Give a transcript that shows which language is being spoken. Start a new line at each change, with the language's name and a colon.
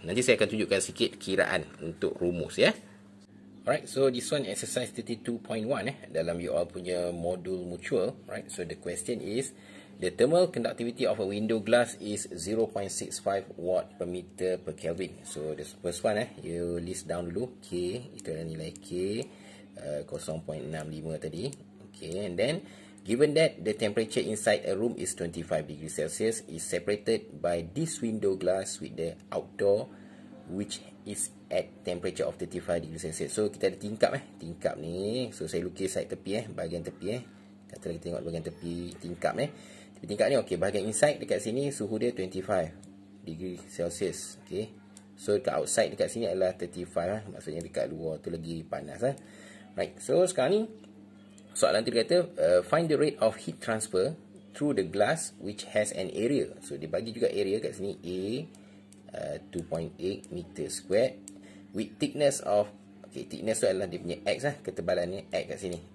Malay: Nanti saya akan tunjukkan sikit kiraan untuk rumus ya.
English: Alright, so this one exercise
Malay: 32.1 dalam you all punya modul mutual.
English: Right, so the question is, the thermal conductivity of a window glass is 0.65 watt per meter per Kelvin. So, the first one, you list down dulu.
Malay: K, itu adalah nilai K, 0.65 tadi.
English: Okay, and then, given that the temperature inside a room is 25 degrees Celsius, is separated by this window glass with the outdoor, which is at temperature of 35 degrees Celsius.
Malay: So, kita ada tingkap. Tingkap ni. So, saya lukis side tepi, bahagian tepi. Katalah kita tengok bahagian tepi tingkap ni. Tingkat ni, okay, bahagian inside dekat sini suhu dia 25 degree Celsius. Okay, so dekat outside dekat sini adalah 35 lah. Maksudnya dekat luar tu lagi panas lah.
English: Right,
Malay: so sekarang ni soalan tu dia kata,
English: find the rate of heat transfer through the glass which has an area.
Malay: So dia bagi juga area kat sini, A 2.8 meter square
English: with thickness of,
Malay: okay, thickness tu adalah dia punya X lah, ketebalan ni X kat sini.